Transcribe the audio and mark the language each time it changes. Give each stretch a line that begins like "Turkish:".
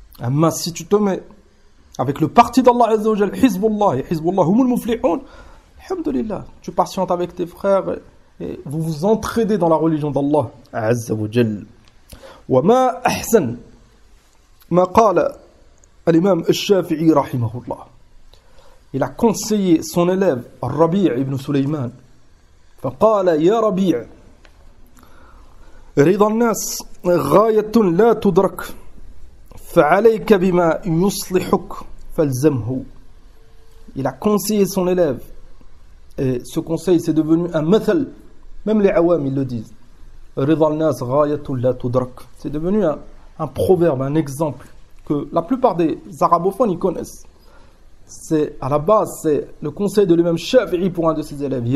French: Mais si tu te mets avec le parti d'Allah Azzawajal, Hizbullah, et Hizbullah,
Arabic: humul muflihoun,
French: alhamdulillah, tu patientes avec tes frères et vous vous entraidez dans la religion d'Allah Azzawajal.
Arabic: Wa ma ahsan ma qala al-imam al-Shafi'i rahimahullah.
French: Il a conseillé son élève, Rabi' ibn Sulayman.
Arabic: فقال يا ربيع رضا الناس غاية لا تدرك فعليك بما يصلحك فالزمه.
French: Il a conseillé son élève. Et ce conseil, c'est devenu un mathal. Même les awam, ils le disent.
Arabic: رضا الناس غاية لا تدرك.
French: C'est devenu un proverbe, un exemple que la plupart des arabophones ils connaissent. C'est à la base, c'est le conseil de l'imam Shafi'i pour un de ses élèves.